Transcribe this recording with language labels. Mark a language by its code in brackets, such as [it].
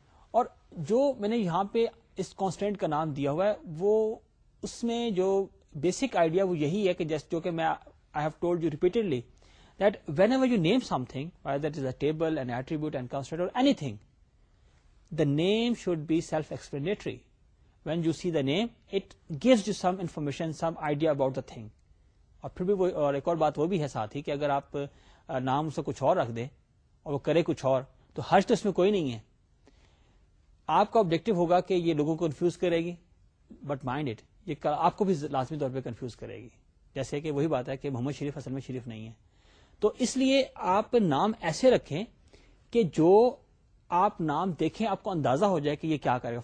[ur] اور جو میں نے یہاں پہ اس کانسٹینٹ کا نام دیا ہوا ہے وہ اس میں جو بیسک آئیڈیا وہ یہی ہے کہ جس جو کہ میں [en] I have told you repeatedly that whenever you name something that is a table and attribute and constant or anything the name should be self explanatory. When you see the name, it gives you some information, some idea about the thing. [ur] اور پھر بھی وہ اور ایک اور بات وہ بھی ہے ساتھ ہی کہ اگر آپ نام اسے کچھ اور رکھ دیں اور وہ کرے کچھ اور تو حرج تو اس میں کوئی نہیں ہے. آپ کا آبجیکٹو ہوگا کہ یہ لوگوں کو کنفیوز کرے گی, [en] but mind it, [ur] یہ آپ کو بھی لازمی طور پہ کنفیوز کرے گی. جیسے کہ وہی بات ہے کہ محمد شریف اصل میں شریف نہیں ہے. تو اس لیے آپ نام ایسے رکھیں کہ جو آپ نام دیکھیں آپ کو اندازہ ہو جائے کہ یہ کیا کرے گا.